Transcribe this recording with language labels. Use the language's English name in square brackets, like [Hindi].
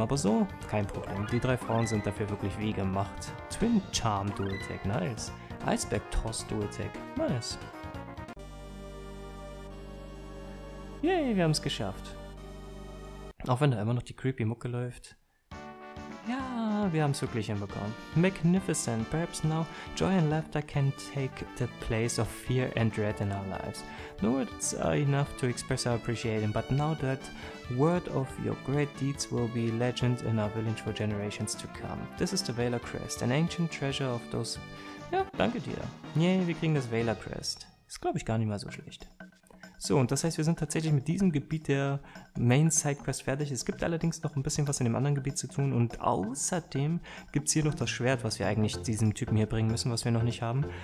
[German] Aber so, kein Problem. Die drei Frauen sind dafür wirklich wie gemacht. [English] Twin Charm Dual Attack, nice. Iceberg Toss Dual Attack, nice. [German] Yay, wir haben es geschafft. Auch wenn da immer noch die creepy Mucke läuft. Ja, wir haben es wirklich hinbekommen. [English] Magnificent, perhaps now joy and laughter can take the place of fear and dread in our lives. No words are enough to express our appreciation, but now that word of your great deeds will be legend in our village for generations to come. This is the Valor Crest, an ancient treasure of those... [German] Ja, danke dir. Yay, wir kriegen das Valor Crest. Ist, glaube ich, gar nicht mal so schlecht. So, und das heißt, wir sind tatsächlich mit diesem Gebiet der Main Side Quest fertig. Es gibt allerdings noch ein bisschen was in dem anderen Gebiet zu tun. Und außerdem gibt es hier noch das Schwert, was wir eigentlich diesem Typen hier bringen müssen, was wir noch nicht haben.